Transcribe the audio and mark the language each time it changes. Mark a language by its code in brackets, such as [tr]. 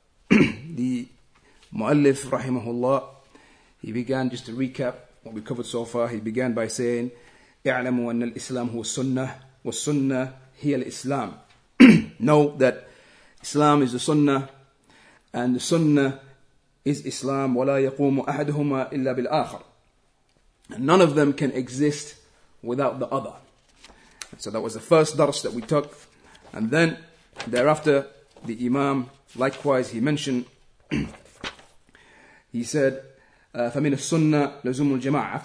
[en] The [ar] مؤلف رحمه الله, [en] he began, just to recap what we covered so far, he began by saying, [ar] اعلموا أن الإسلام هو السنة والسنة هي الإسلام. [en] Know that Islam is the Sunnah, and the Sunnah is Islam. [ar] ولا يقوم أحدهما إلا بالآخر. [en] And none of them can exist without the other. And so that was the first dars that we took. And then thereafter, the Imam, likewise, he mentioned, he said, [ar] فَمِنَ السُّنَّةِ لَزُمُ الْجَمَاعَةِ.